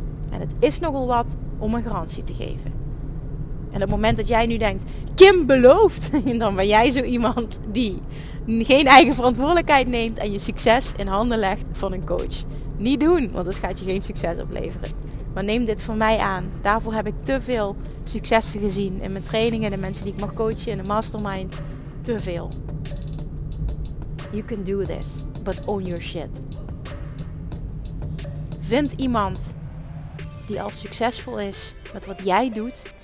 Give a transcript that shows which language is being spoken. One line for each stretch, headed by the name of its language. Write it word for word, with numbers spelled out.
Dutch: En het is nogal wat om een garantie te geven. En op het moment dat jij nu denkt, Kim belooft, dan ben jij zo iemand die geen eigen verantwoordelijkheid neemt en je succes in handen legt van een coach. Niet doen, want dat gaat je geen succes opleveren. Maar neem dit van mij aan. Daarvoor heb ik te veel successen gezien in mijn trainingen, de mensen die ik mag coachen, in de mastermind. Te veel.
English: You can do this, but own your shit.
Dutch: Vind iemand die al succesvol is met wat jij doet.